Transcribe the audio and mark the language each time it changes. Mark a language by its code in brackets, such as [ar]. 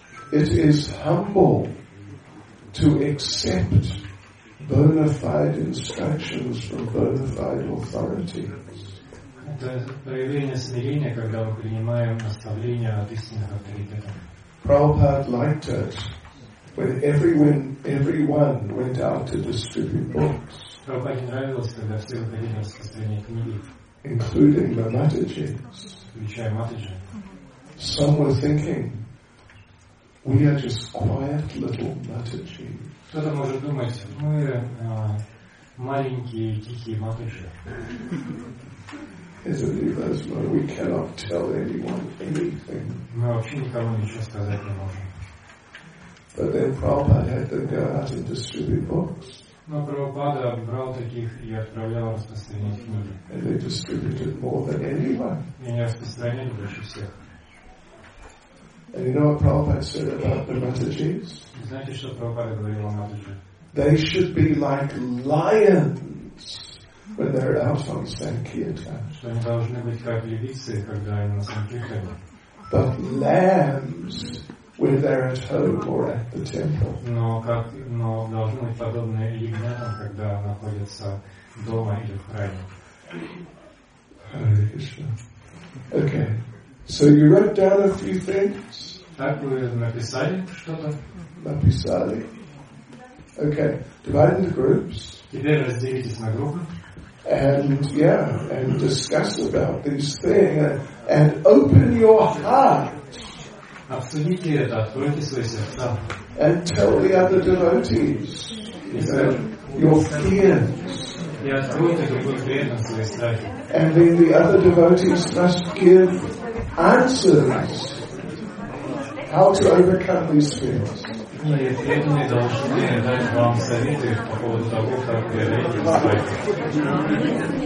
[en] It is humble to accept bona fide instructions from bona fide authorities. [ru] Это проявление смирения, когда мы принимаем наставления от истинных авторитетов. [en] Prabhupada liked it when everyone went out to distribute books. [ru] Прабхупаде нравилось, когда все выходили на распространение книги. [en] Including the Mataji. [ru] Включая Матаджи. [en] Some were thinking, we are just quiet little Mataji. [ru] Кто-то может думать, мы маленькие тихие Матаджи. [en] We cannot tell anyone anything. [ru] Мы вообще никому ничего сказать не можем. [en] But then Prabhupada had to go out and distribute books. [ru] Но Прабхупада брал таких и отправлял распространять книги. [en] And they distributed more than anyone. [ru] И они распространяли больше всех. [en] And you know what Prabhupada said about the Matajis? [ru] Знаете, что Прабхупада говорил о Матаджи? [en] They should be like lions when they're out on Sankirtan. [ru] Что они должны быть как львицы, когда они на Санкиртане. [en] But lambs when they're at home or at the temple. [ru] Но должны быть подобные ягнятам, когда находятся дома или в храме. [en] Okay. So you wrote down a few things? [ru] Так, вы написали что-то? Написали. [en] Okay. Divide into groups. [ru] Теперь разделитесь на группы. [en] And discuss about these things and open your heart. [ru] Обсудите это, откройте свои сердца. [en] And tell the other devotees your fears. [ru] И откройте другой фриент на свои страхи. [en] And then the other devotees must give answers how to overcome these fears. [ru] И преданные должны дать вам советы по поводу того, как преодолеть эти страхи.